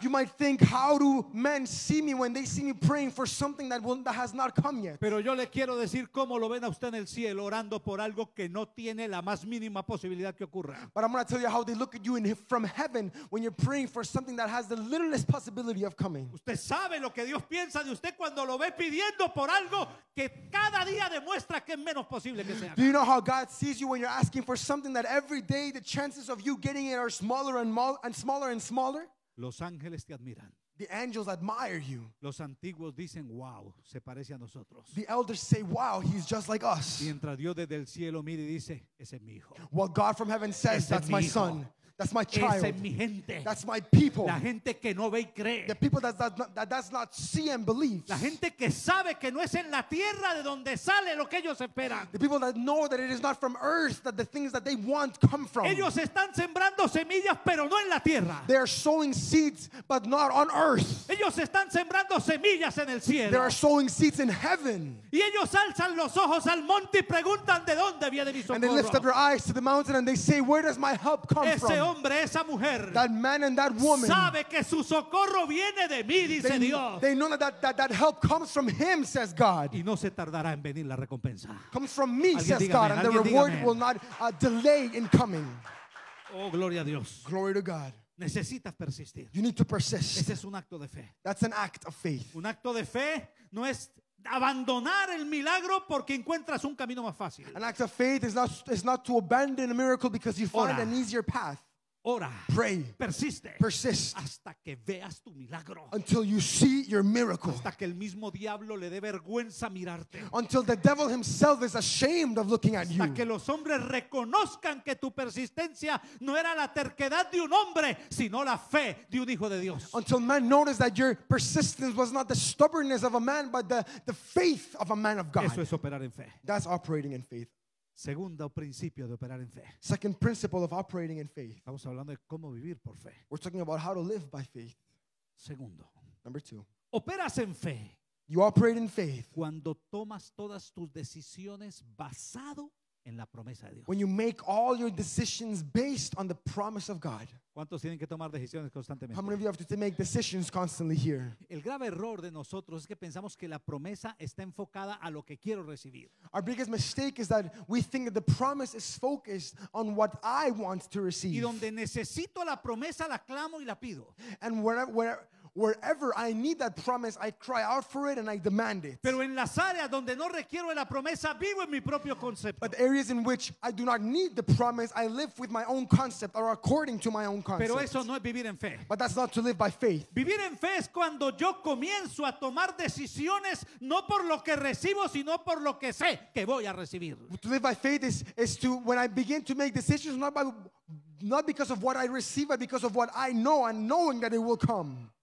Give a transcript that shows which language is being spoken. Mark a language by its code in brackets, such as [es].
[en] You might think, how do men see me when they see me praying for something that has not come yet? [es] Pero yo le quiero decir cómo lo ven a usted en el cielo orando por algo que no tiene la más mínima posibilidad que ocurra. [en] But I'm going to tell you how they look at you from heaven when you're praying for something that has the littlest possibility of coming. [es] Usted sabe lo que Dios piensa de usted cuando lo ve pidiendo por algo que cada día demuestra que es menos posible que sea. [en] Do you know how God sees you when you're asking for something that every day the chances of you getting it are smaller and smaller and smaller? [es] Los ángeles te admiran. [en] The angels admire you. [es] Los antiguos dicen, wow, se parece a nosotros. [en] The elders say, wow, he's just like us. [es] Mientras Dios desde el cielo mire y dice, ese es mi hijo. [en] While God from heaven says, that's my son. That's my child. [es] Ese es mi gente. [en] That's my people. [es] La gente que no ve y cree. [en] The people that does not see and believe. [es] La gente que sabe que no es en la tierra de donde sale lo que ellos esperan. [en] The people that know that it is not from earth that the things that they want come from. [es] Ellos están sembrando semillas, pero no en la tierra. [en] They are sowing seeds, but not on earth. [es] Ellos están sembrando semillas en el cielo. [en] They are sowing seeds in heaven. [es] Y ellos alzan los ojos al monte y preguntan de dónde viene mi socorro. [en] And they lift up their eyes to the mountain and they say, where does my help come [es] ese [en] from? [es] Hombre, esa mujer, [en] that man and that woman, [es] sabe que su socorro viene de mí, dice [en] they, [es] Dios. [en] They know that help comes from him, says God. [es] Y no se tardará en venir la recompensa. [en] Comes from me, [es] alguien [en] says [es] dígame, [en] God, and the reward [es] dígame [en] will not delay in coming. [es] Oh, gloria a Dios. [en] Glory to God. [es] Necesitas persistir. [en] You need to persist. [es] Ese es un acto de fe. [en] That's an act of faith. [es] Un acto de fe no es abandonar el milagro porque encuentras un camino más fácil. [en] An act of faith is not to abandon a miracle because you find [es] ora [en] an easier path. [es] Ora. [en] Pray. [es] Persiste. [en] Persist. [es] Hasta que veas tu milagro. [en] Until you see your miracle. [es] Hasta que el mismo diablo le dé vergüenza mirarte. [en] Until the devil himself is ashamed of looking [es] hasta [en] at you. [es] Hasta que los hombres reconozcan que tu persistencia no era la terquedad de un hombre, sino la fe de un hijo de Dios. [en] Until men notice that your persistence was not the stubbornness of a man, but the faith of a man of God. [es] Eso es operar en fe. [en] That's operating in faith. [es] Segundo principio de operar en fe. [en] Second principle of operating in faith. [es] Estamos hablando de cómo vivir por fe. [en] We're talking about how to live by faith. [es] Segundo. [en] Number two. [es] Operas en fe. [en] You operate in faith. [es] Cuando tomas todas tus decisiones basado en la promesa de Dios. [en] When you make all your decisions based on the promise of God. [es] ¿Cuántos tienen que tomar decisiones constantemente? [en] How many of you have to make decisions constantly here? [es] El grave error de nosotros es que pensamos que la promesa está enfocada a lo que quiero recibir. [en] Our biggest mistake is that we think that the promise is focused on what I want to receive. [es] Y donde necesito la promesa la clamo y la pido. [en] And Wherever I need that promise, I cry out for it and I demand it. [es] Pero en las áreas donde no requiero la promesa, vivo en mi propio concepto. [en] But areas in which I do not need the promise, I live with my own concept or according to my own concept. [es] Pero eso no es vivir en fe. [en] But that's not to live by faith. [es] Vivir en fe es cuando yo comienzo a tomar decisiones no por lo que recibo, sino por lo que sé que voy a recibir. [en] To live by faith is to when I begin to make decisions not because of what I receive, but because of what I know and knowing that it will come.